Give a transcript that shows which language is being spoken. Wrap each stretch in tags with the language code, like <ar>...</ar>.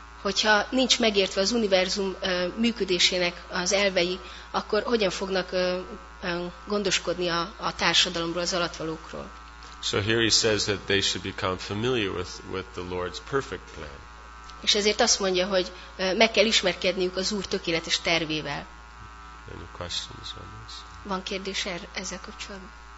<hu>Hogyha nincs megértve az univerzum működésének az elvei, akkor hogyan fognak gondoskodni a társadalomról, az alattvalókról?</hu> <en>So here he says that they should become familiar with the Lord's perfect plan.</en> <hu>És ezért azt mondja, hogy meg kell ismerkedniük az Úr tökéletes tervével.</hu> <en>Any questions on this?</en> <hu>Van kérdés ezzel kapcsolatban?</hu>